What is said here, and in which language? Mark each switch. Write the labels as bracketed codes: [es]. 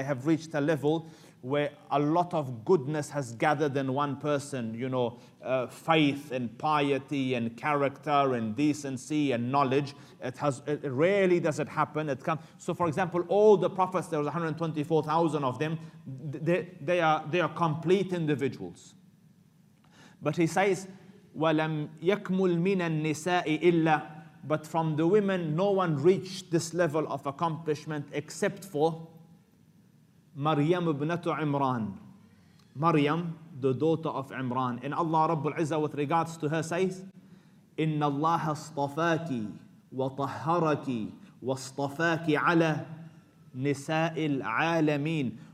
[en] They have reached a level where a lot of goodness has gathered in one person, you know, faith and piety and character and decency and knowledge. It rarely does it happen. It comes. So, for example, all the prophets, there was 124,000 of them. They are complete individuals. But he says, [ar] وَلَمْ يَكْمُلْ مِنَ النِّسَاءِ إِلَّا. [en] But from the women, no one reached this level of accomplishment except for Maryam ibn Imran. Maryam, the daughter of Imran. And Allah Rabbul Izzah, with regards to her, says, [ar] إِنَّ اللَّهَ اصْطَفَاكِ وَطَهَّرَكِ وَاصْطَفَاكِ عَلَى نِسَاءِ الْعَالَمِينَ.